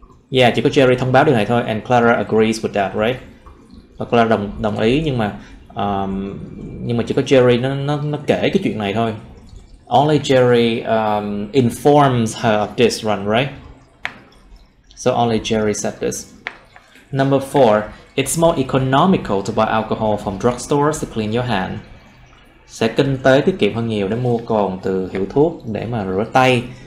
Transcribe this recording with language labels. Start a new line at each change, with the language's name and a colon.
Vietnamese: Yeah, chỉ có Jerry thông báo điều này thôi,
English: and Clara agrees with that, right?
Vietnamese: Và Clara đồng ý, nhưng mà chỉ có Jerry nó kể cái chuyện này thôi.
English: Only Jerry informs her of this run, right? So only Jerry said this. Number four, it's more economical to buy alcohol from drugstores to clean your hand.
Vietnamese: Sẽ kinh tế tiết kiệm hơn nhiều để mua cồn từ hiệu thuốc để mà rửa tay.